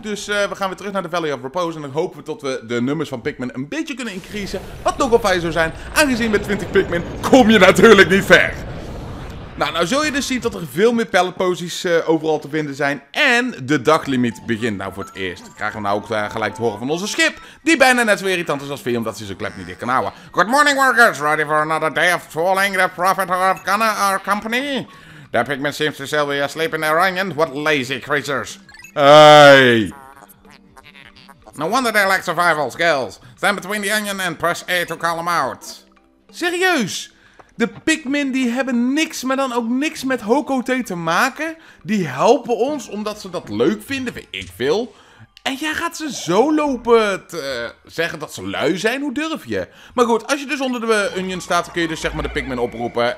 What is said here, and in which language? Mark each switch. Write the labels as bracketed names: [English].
[Dutch] Dus we gaan weer terug naar de Valley of Repose. En dan hopen we dat we de nummers van Pikmin een beetje kunnen increasen. Wat nogal fijn zou zijn. Aangezien met 20 Pikmin kom je natuurlijk niet ver. Nou zul je dus zien dat er veel meer palletposies overal te vinden zijn. En de daglimiet begint nou voor het eerst. Krijgen we nou ook gelijk te horen van onze schip. Die bijna net zo irritant is als Vee, omdat ze zijn klep niet dicht kan houden. [English] Good morning workers, ready for another day of trolling the profit of Gunner, our company? The Pikmin seems to still be asleep in their onion. What lazy creatures. Hey. No wonder they lack survival skills. Stand between the onion and press A to call them out. [Dutch] Serieus? De Pikmin die hebben niks, maar dan ook niks met Hokotee te maken. Die helpen ons omdat ze dat leuk vinden, weet ik veel. En jij gaat ze zo lopen te zeggen dat ze lui zijn, hoe durf je? Maar goed, als je dus onder de Onion staat, kun je dus zeg maar de Pikmin oproepen.